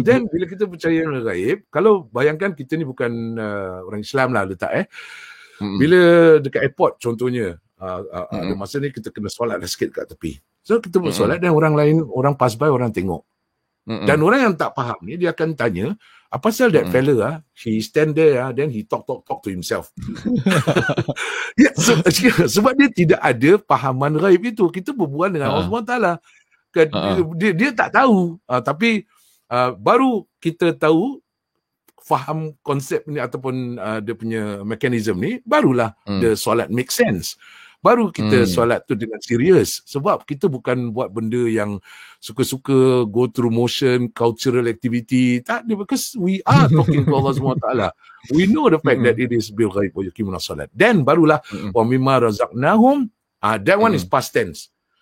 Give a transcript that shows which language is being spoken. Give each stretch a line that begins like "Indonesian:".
Malay: Then bila kita percaya yang gaib, kalau bayangkan kita ni bukan orang Islam lah letak bila dekat airport contohnya ada masa ni kita kena solat lah sikit kat tepi. So kita buat solat dan orang lain, orang
English: pass by,
Malay: orang tengok. Dan orang yang tak faham ni dia akan tanya, apa pasal
English: that fella ah? He stand there ah, then he talk to himself.
Malay: sebab dia tidak ada pahaman gaib itu. Kita berbual dengan Allah SWT lah. Dia tak tahu tapi baru kita tahu faham konsep ni ataupun dia punya mekanisme ni barulah
English: the solat make sense
Malay: baru kita solat tu dengan serius sebab kita bukan buat benda yang suka-suka
English: go through motion cultural activity
Malay: tak
English: because we are talking to Allah SWT we know the fact that it is
Arabic: bil ghaib wa yuqimuna salat
Malay: then barulah
Arabic: wa mimma razaqnahum
English: that one is past tense.